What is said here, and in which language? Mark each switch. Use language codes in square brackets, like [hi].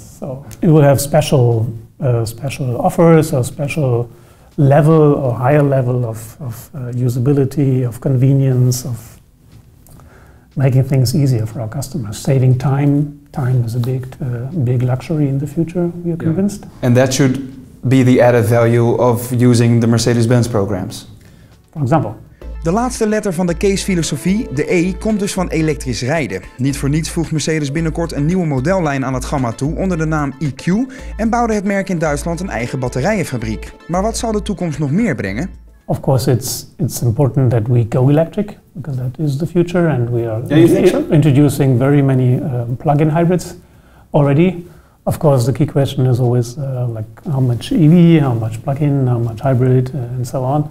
[en] So it will have special offers or special level or higher level of usability, of convenience, of making things easier for our customers, saving time. Time is a big luxury in the future, we are convinced. And that should be the added value of using the Mercedes-Benz programs. For example. [nl] De laatste letter van de case-filosofie, de E, komt dus van elektrisch rijden. Niet voor niets voegt Mercedes binnenkort een nieuwe modellijn aan het gamma toe onder de naam EQ en bouwde het merk in Duitsland een eigen batterijenfabriek. Maar wat zal de toekomst nog meer brengen? [en] Of course it's important that we go electric, because that is the future and we are introducing very many plug-in hybrids already. Of course the key question is always like how much EV, how much plug-in, how much hybrid and so on.